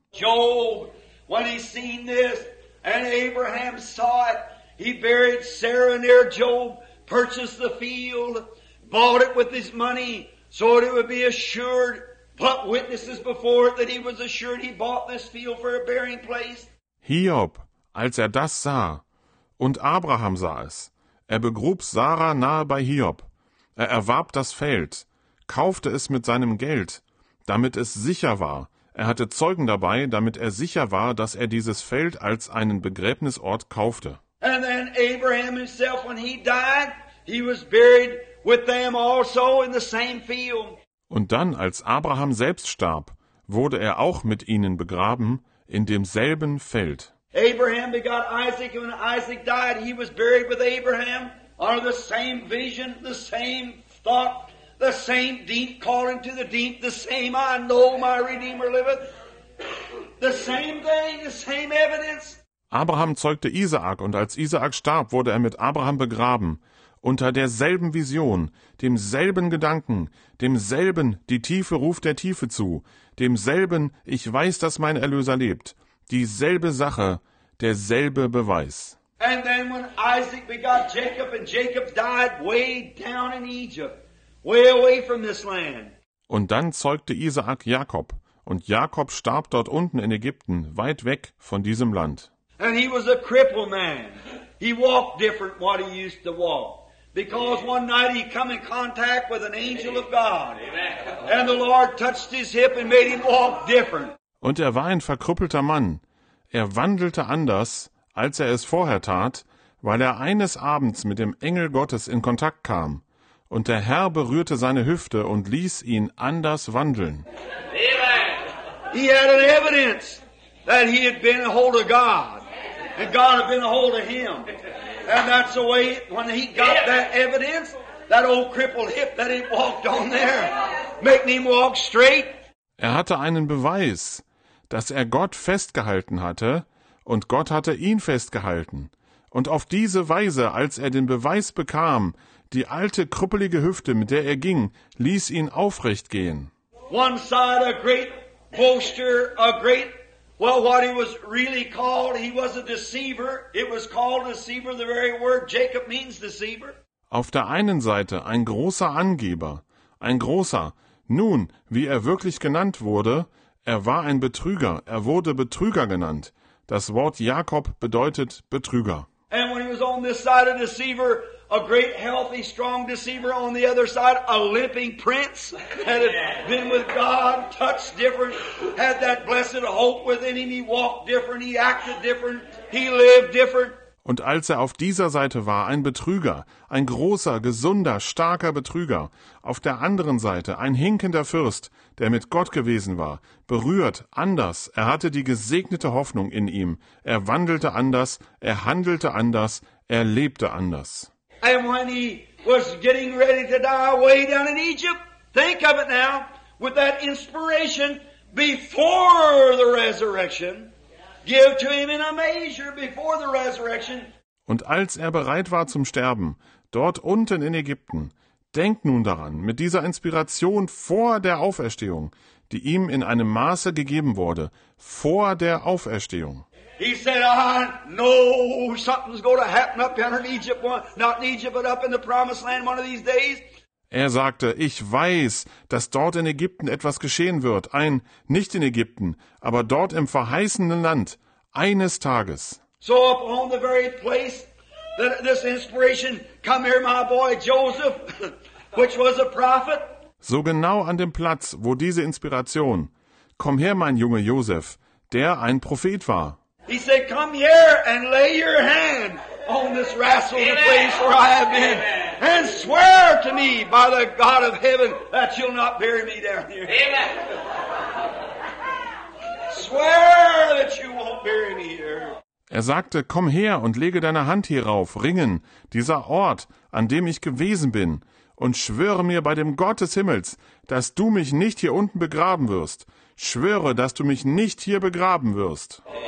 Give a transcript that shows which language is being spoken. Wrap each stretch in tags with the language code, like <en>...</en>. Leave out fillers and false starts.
<en>Job, when he seen this, and Abraham saw it, he buried Sarah near Job, purchased the field, bought it with his money, so that it would be assured, put witnesses before it, that he was assured he bought this field for a burying place.</en> <de>Hiob, als er das sah, und Abraham sah es, er begrub Sarah nahe bei Hiob. Er erwarb das Feld, kaufte es mit seinem Geld, damit es sicher war. Er hatte Zeugen dabei, damit er sicher war, dass er dieses Feld als einen Begräbnisort kaufte.</de> <en>And then Abraham himself, when he died, he was buried with them also in the same field.</en> <de>Und dann, als Abraham selbst starb, wurde er auch mit ihnen begraben in demselben Feld.</de> <en>Abraham begot Isaac, and when Isaac died, he was buried with Abraham. Are the same vision, the same thought, the same deep calling to the deep, the same I know my Redeemer liveth, the same thing, the same evidence.</en> <de>Abraham zeugte Isaak, und als Isaak starb, wurde er mit Abraham begraben, unter derselben Vision, demselben Gedanken, demselben die Tiefe ruft der Tiefe zu, demselben ich weiß, dass mein Erlöser lebt, dieselbe Sache, derselbe Beweis.</de> <en>And then when Isaac begot Jacob, and Jacob died way down in Egypt, way away from this land.</en> <de>Und dann zeugte Isaak Jakob, und Jakob starb dort unten in Ägypten, weit weg von diesem Land.</de> <en>And he was a crippled man. He walked different than what he used to walk. Because one night he come in contact with an angel of God. And the Lord touched his hip and made him walk different.</en> <de>Und er war ein verkrüppelter Mann. Er wandelte anders, als er es vorher tat, weil er eines Abends mit dem Engel Gottes in Kontakt kam. Und der Herr berührte seine Hüfte und ließ ihn anders wandeln.</de> <en>Amen. He had an evidence that he had been a hold of God. And God had been a hold of him. And that's the way, when he got that evidence, that old crippled hip that he walked on there, making him walk straight.</en> <de>Er hatte einen Beweis, dass er Gott festgehalten hatte, und Gott hatte ihn festgehalten. Und auf diese Weise, als er den Beweis bekam, die alte krüppelige Hüfte, mit der er ging, ließ ihn aufrecht gehen.</de> <en>One side a great boaster, a great, well, what he was really called, he was a deceiver. It was called deceiver, the very word Jacob means deceiver.</en> <de>Auf der einen Seite ein großer Angeber, ein großer. Nun, wie er wirklich genannt wurde, er war ein Betrüger, er wurde Betrüger genannt. Das Wort Jakob bedeutet Betrüger.</de> <en>And when he was on this side a deceiver, a great, healthy, strong deceiver, on the other side a limping prince that had been with God, touched different, had that blessed hope within him, he walked different, he acted different, he lived different.</en> <de>Und als er auf dieser Seite war, ein Betrüger, ein großer, gesunder, starker Betrüger, auf der anderen Seite ein hinkender Fürst, der mit Gott gewesen war, berührt, anders, er hatte die gesegnete Hoffnung in ihm, er wandelte anders, er handelte anders, er lebte anders.</de> <en>And when he was getting ready to die way down in Egypt, think of it now, with that inspiration before the resurrection, give to him in a measure before the resurrection.</en> <de>Und als er bereit war zum Sterben, dort unten in Ägypten, denk nun daran, mit dieser Inspiration vor der Auferstehung, die ihm in einem Maße gegeben wurde, vor der Auferstehung.</de> <en>He said, I know something's going to happen up here in Egypt, not in Egypt, but up in the promised land one of these days.</en> <de>Er sagte, ich weiß, dass dort in Ägypten etwas geschehen wird, ein, nicht in Ägypten, aber dort im verheißenen Land, eines Tages.</de> <en>So upon the very place that this inspiration come here, my boy Joseph, which was a prophet.</en> <de>So genau an dem Platz, wo diese Inspiration, komm her, mein Junge Joseph, der ein Prophet war.</de> <en>He said, come here and lay your hand on this wrestle, the place where I have been. And swear to me by the God of heaven that you'll not bury me down here. Amen. Swear that you won't bury me here.</en> <de>Er sagte, komm her und lege deine Hand hierauf, Ringen, dieser Ort, an dem ich gewesen bin, und schwöre mir bei dem Gott des Himmels, dass du mich nicht hier unten begraben wirst. Schwöre, dass du mich nicht hier begraben wirst.</de>